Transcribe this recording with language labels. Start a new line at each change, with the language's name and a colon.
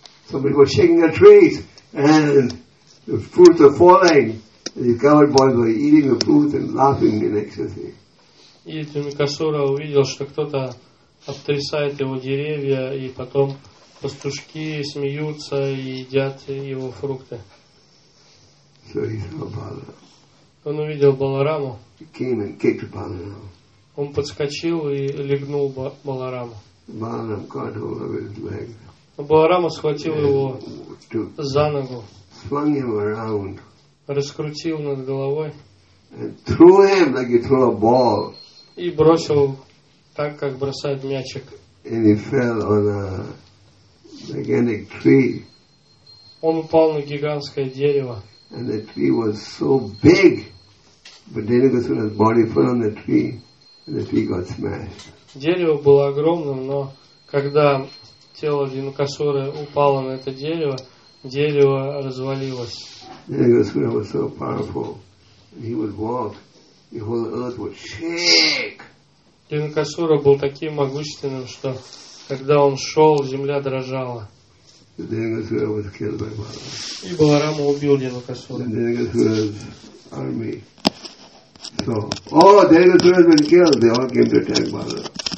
English: Somebody was shaking the trees, and the fruits were falling, The coward boys were eating the food and laughing in ecstasy.
Russian: И Тумикасура увидел, что кто-то обтрясает его деревья, и потом пастушки смеются и едят его фрукты.
English: So he saw Balarama.
Russian: Он увидел Балараму.
English: He came and kicked Balarama.
Russian: Он подскочил и легнул Балараму.
English: Balarama caught hold of his leg.
Russian: Баларама схватил его за ногу.
English: Swung him around.
Russian: Раскрутил над головой.
English: And threw him like you throw a ball.
Russian: И бросил так, как бросает мячик.
English: And he fell on a gigantic tree.
Russian: Он упал на гигантское дерево.
English: And the tree was so big, but Dhenukasura's body fell on the tree, and the tree got smashed.
Russian: Дерево было огромным, но когда тело Динукасуры упало на это дерево, дерево развалилось.
English: Dhenukasura was so powerful, and he would walk, the whole earth would shake.
Russian: Динукасура был таким могущественным, что когда он шел, земля дрожала.
English: Dhenukasura was killed by Balarama.
Russian: И Баларама убил Динукасуру.
English: Dhenukasura's army. So, oh, Dhenukasura's been killed. They all came to attack Balarama.